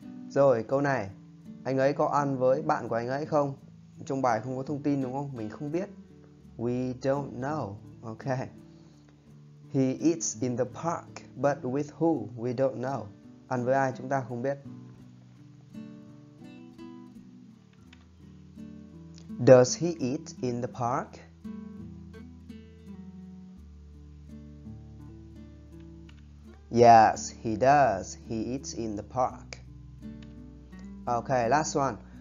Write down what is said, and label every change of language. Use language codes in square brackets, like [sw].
[vi] Rồi câu này, anh ấy có ăn với bạn của anh ấy không? Trong bài không có thông tin đúng không? Mình không biết. [en] We don't know. [vi] Okay. [en] He eats in the park, but with who? We don't know. [vi] Ăn với ai chúng ta không biết. [en] Does he eat in the park? Yes, he does. He eats in the park. Okay, last one.